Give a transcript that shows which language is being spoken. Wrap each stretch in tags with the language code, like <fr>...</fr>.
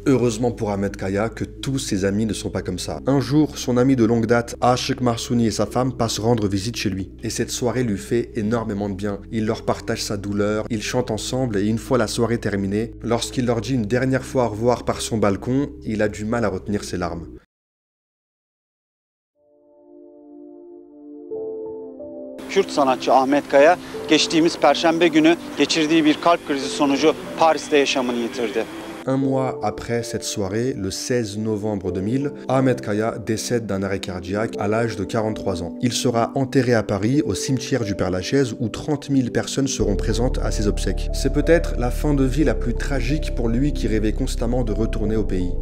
<fr>Heureusement pour Ahmet Kaya que tous ses amis ne sont pas comme ça. Un jour, son ami de longue date, Aşık Mahsuni et sa femme passent rendre visite chez lui. Et cette soirée lui fait énormément de bien. Il leur partage sa douleur, ils chantent ensemble et une fois la soirée terminée, lorsqu'il leur dit une dernière fois au revoir par son balcon, il a du mal à retenir ses larmes.</fr> <tr>Kürt sanatçı Ahmet Kaya geçtiğimiz perşembe günü geçirdiği bir kalp krizi sonucu Paris'te yaşamını yitirdi.</tr> <fr>Un mois après cette soirée, le 16 novembre 2000, Ahmet Kaya décède d'un arrêt cardiaque à l'âge de 43 ans. Il sera enterré à Paris, au cimetière du Père Lachaise, où 30 000 personnes seront présentes à ses obsèques. C'est peut-être la fin de vie la plus tragique pour lui qui rêvait constamment de retourner au pays.</fr>